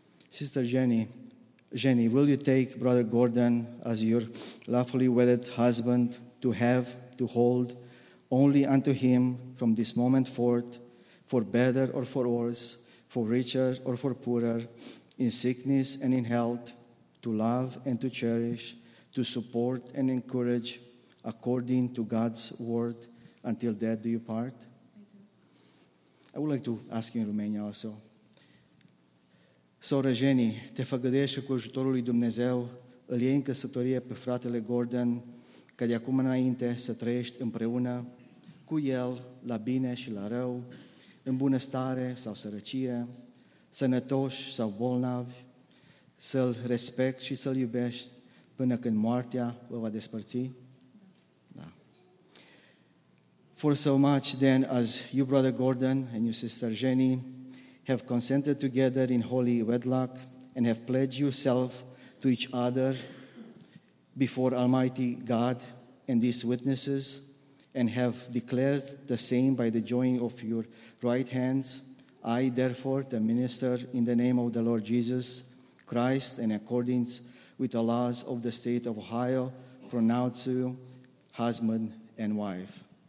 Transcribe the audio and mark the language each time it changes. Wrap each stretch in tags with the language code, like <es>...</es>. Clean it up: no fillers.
<en>Sister Jenny, will you take Brother Gordon as your lawfully wedded husband, to have, to hold only unto him from this moment forth, for better or for worse, for richer or for poorer, in sickness and in health, to love and to cherish, to support and encourage, according to God's word, until death do you part? I would like to ask you in Romania also.</en> <ro>Soră Jenny, te făgădește cu ajutorul lui Dumnezeu, îl iei în căsătorie pe fratele Gordon, ca de acum înainte să trăiești împreună cu el, la bine și la rău, în bunăstare sau sărăcie, sănătoși sau bolnavi, să-l respect și să-l iubești până când moartea vă va despărți. Da.</ro> <en>For so much then as you, Brother Gordon, and your sister Jenny, have consented together in holy wedlock and have pledged yourself to each other before Almighty God and these witnesses, and have declared the same by the joining of your right hands, I, therefore, the minister, in the name of the Lord Jesus Christ, in accordance with the laws of the state of Ohio, pronounce you husband and wife.</en>